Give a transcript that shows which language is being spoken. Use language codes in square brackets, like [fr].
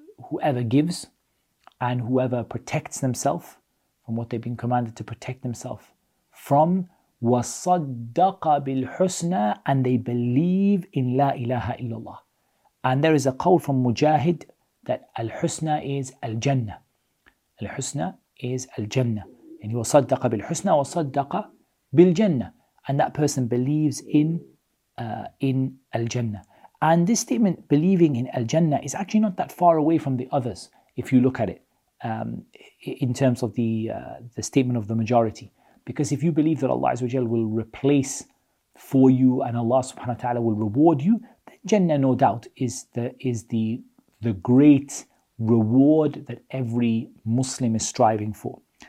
[en] Whoever gives and whoever protects themselves from what they've been commanded to protect themselves from, [ar] وَصَدَّقَ بِالْحُسْنَى, [en] and they believe in La ilaha illallah. And there is a call from Mujahid that Al-Husna is Al-Jannah. Al-Husna is Al-Jannah. And he [ar] وَصَدَّقَ بِالْحُسْنَى وَصَدَّقَ بِالْجَنَّى. [en] And that person believes in Al-Jannah. And this statement, believing in Al-Jannah, is actually not that far away from the others, if you look at it, in terms of the statement of the majority. Because if you believe that Allah Azza wa Jalla will replace for you and Allah subhanahu wa ta'ala will reward you, then Jannah, no doubt, is the great reward that every Muslim is striving for.